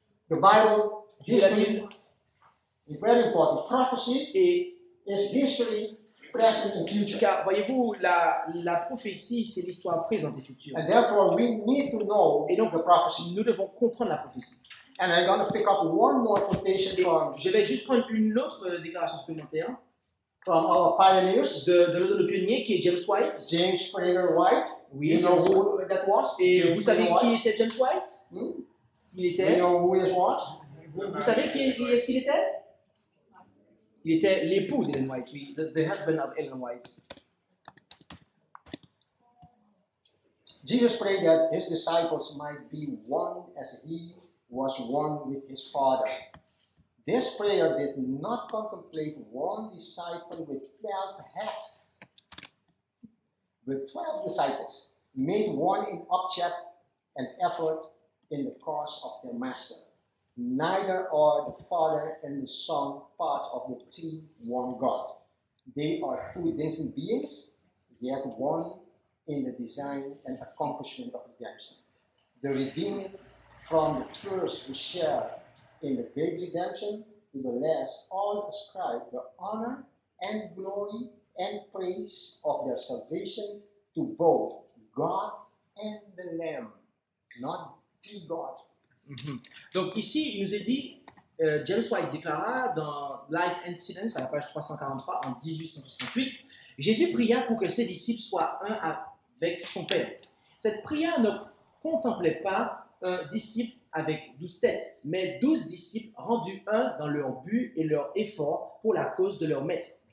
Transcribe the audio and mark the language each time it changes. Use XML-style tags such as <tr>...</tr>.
<en>The Bible, history, is very important. Prophecy is history, present and future.</en> <fr>Car voyez-vous, la prophétie, c'est l'histoire présente et future.</fr> <en>And therefore, we need to know the prophecy.</en> <fr>Nous devons comprendre la prophétie.</fr> <en>And I'm going to pick up one more quotation from.</en> <fr>Je vais juste prendre une autre déclaration supplémentaire.</fr> <en>From our pioneers.</en> <fr>De pionnier qui est James White.</fr> <en>James Prater White.</en> <fr>Oui,</fr> <en>you know who that was?</en> <fr>Et vous savez qui était James White? S'il était. Vous savez qui est-ce qu'il était? Il était l'époux d'Ellen White,</fr> <en>the husband of Ellen White. Jesus prayed that his disciples might be one as he was one with his Father. This prayer did not contemplate one disciple with 12 heads. With 12 disciples made one in object and effort. In the cause of their master, neither are the Father and the Son part of the three one God. They are two distinct beings, yet one in the design and accomplishment of redemption. The redeeming from the first who share in the great redemption to the last, all ascribe the honor and glory and praise of their salvation to both God and the Lamb, not to God. Mm-hmm.</en> <fr>Donc ici, il nous est dit, James White déclara dans Life and Silence, à la page 343, en 1868, Jésus pria pour que ses disciples soient un avec son Père. Cette prière ne contemplait pas un disciple avec 12 têtes, mais 12 disciples rendus un dans leur but et leur effort pour la cause de leur maître.</fr>